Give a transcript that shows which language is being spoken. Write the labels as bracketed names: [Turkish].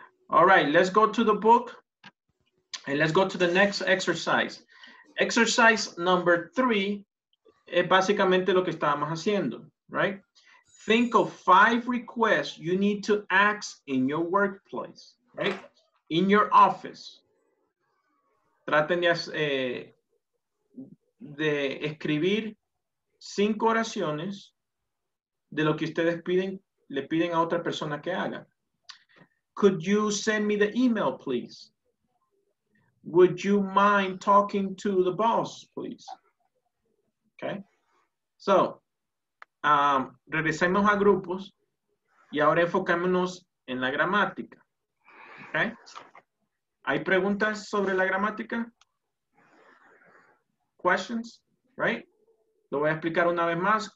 [English] All right, let's go to the book and let's go to the next exercise. [Spanish] Exercise number 3 es básicamente lo que estábamos haciendo, right? [English] Think of 5 requests you need to ask in your workplace, right? In your office. [Spanish] Traten de escribir 5 oraciones de lo que ustedes piden, le piden a otra persona que haga. [English] Could you send me the email, please? Would you mind talking to the boss, please? Okay. [Spanish] So, regresemos a grupos y ahora enfocémonos en la gramática. Okay. ¿Hay preguntas sobre la gramática? [English] Questions, right? [Spanish] Lo voy a explicar una vez más.